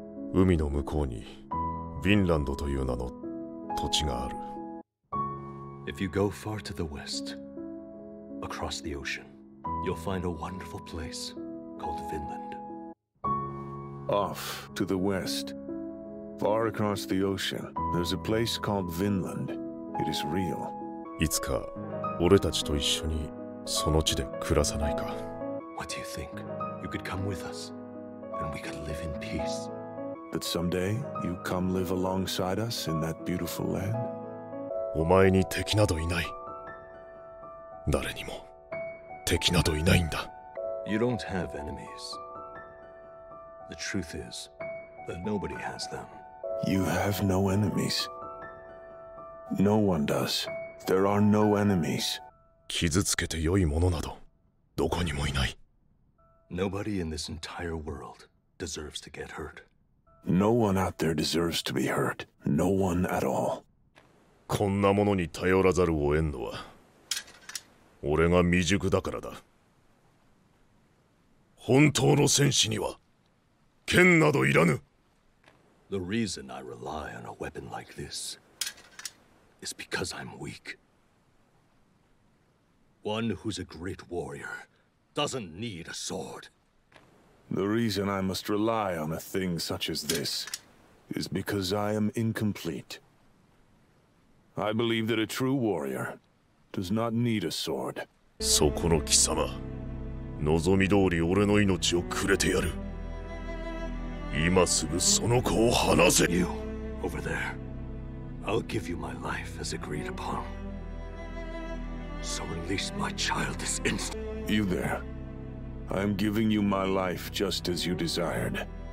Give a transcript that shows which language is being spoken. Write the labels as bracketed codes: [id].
[ja] 海の向こうにヴィンランドという名の土地がある。 [en] If you go far to the west, across the ocean, you'll find a wonderful place called Vinland. Off to the west, far across the ocean, there's a place called Vinland. It is real. [ja] いつか俺たちと一緒にその地で暮らさないか。 [en] What do you think? You could come with us, and we could live in peace. That someday you come live alongside us in that beautiful land? [ja] お前に敵などいない。誰にも敵などいないんだ。 [en] You don't have enemies. The truth is that nobody has them. You have no enemies. No one does. There are no enemies. [ja] 傷つけて良いものなどどこにもいない。 [en] Nobody in this entire world deserves to get hurt. No one out there deserves to be hurt. No one at all. [ja] こんなものに頼らざるを得んのは、俺が未熟だからだ。本当の戦士には、剣などいらぬ。 [en] The reason I rely on a weapon like this is because I'm weak. One who's a great warrior doesn't need a sword. The reason I must rely on a thing such as this is because I am incomplete. I believe that a true warrior does not need a sword. [ja] そこの貴様、望み通り俺の命をくれてやる。今すぐその子を離せ。 [en] You, over there, I'll give you my life as agreed upon. So release my child this instant. You there. I am giving you my life just as you desired.